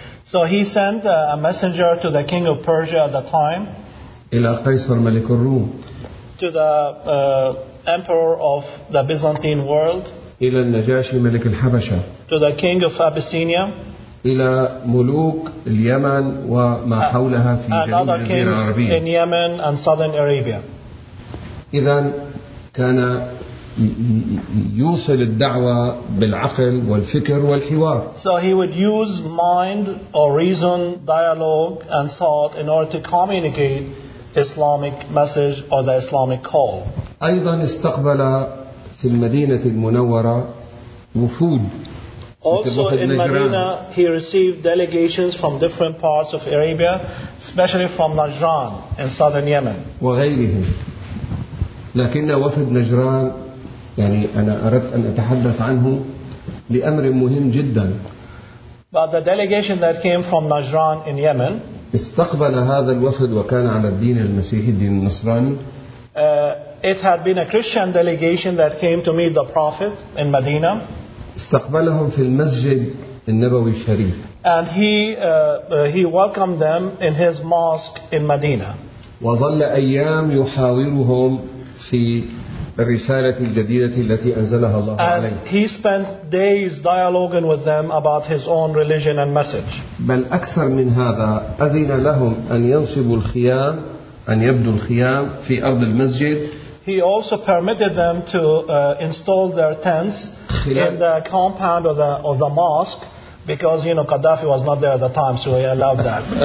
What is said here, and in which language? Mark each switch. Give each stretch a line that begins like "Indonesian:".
English: So he sent a messenger to the king of Persia at the time.
Arabic: إلى قيصر ملك الروم.
English: To the emperor of the Byzantine world.
Arabic: إلى النجاشي ملك الحبشة.
English: To the king of Abyssinia.
Arabic: إلى ملوك اليمن وما حولها في جنوب الجزيرة العربية.
English: In Yemen and southern Arabia.
Arabic: إذن كان يوصل الدعوة بالعقل والفكر والحوار.
English: So he would use mind or reason, dialogue and thought in order to communicate Islamic message or the Islamic call.
Arabic: أيضا استقبل في المدينة المنورة وفود.
English: Also in Medina he received delegations from different parts of Arabia, especially from Najran in southern Yemen.
Arabic: وغيرهم. لكن وفد نجران يعني أنا أردت أن أتحدث عنه لأمر مهم جدا.
English: But the delegation that came from Najran in Yemen
Arabic: استقبل هذا الوفد وكان على الدين المسيحي الدين النصراني.
English: It had been a Christian delegation that came to meet the Prophet in Medina.
Arabic: استقبلهم في المسجد النبوي الشريف.
English: And he welcomed them in his mosque in Medina.
Arabic: وظل أيام يحاورهم في الرسالة الجديدة التي أنزلها الله عليه.
English: And he spent days dialoguing with them about his own religion and message.
Arabic: بل أكثر من هذا أذن لهم أن ينصبوا الخيام أن يبنوا الخيام في أرض المسجد.
English: He also permitted them to install their tents in the compound of the mosque because you know Gaddafi was not there at the time, so he allowed that.